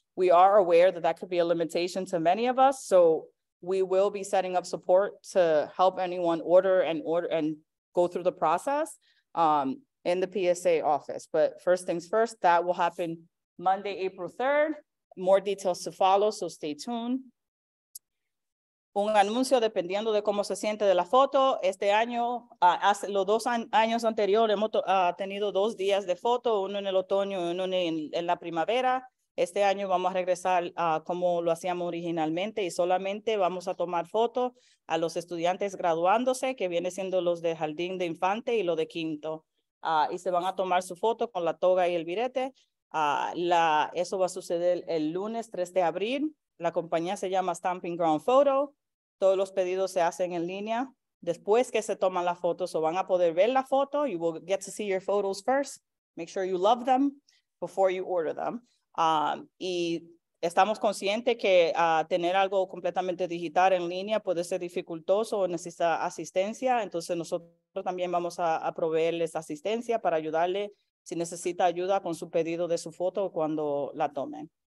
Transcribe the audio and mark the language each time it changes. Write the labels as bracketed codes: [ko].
[en] We are aware that that could be a limitation to many of us, so we will be setting up support to help anyone order and go through the process in the PSA office. But first things first, that will happen Monday, April 3rd. More details to follow, so stay tuned. [es] Un anuncio dependiendo de cómo se siente de la foto. Este año, hace los dos años anteriores, hemos tenido dos días de foto, uno en el otoño y uno en la primavera. Este año vamos a regresar como lo hacíamos originalmente y solamente vamos a tomar fotos a los estudiantes graduándose, que viene siendo los de jardín de infante y los de quinto. Y se van a tomar su foto con la toga y el birrete. Eso va a suceder el lunes 3 de abril. La compañía se llama Stomping Ground Photo. Todos los pedidos se hacen en línea después que se toman las fotos, o van a poder ver la foto. [en] You will get to see your photos first. Make sure you love them before you order them. [es] Y estamos conscientes que tener algo completamente digital en línea puede ser dificultoso o necesita asistencia. Entonces nosotros también vamos a proveerles asistencia para ayudarle si necesita ayuda con su pedido de su foto cuando la tomen.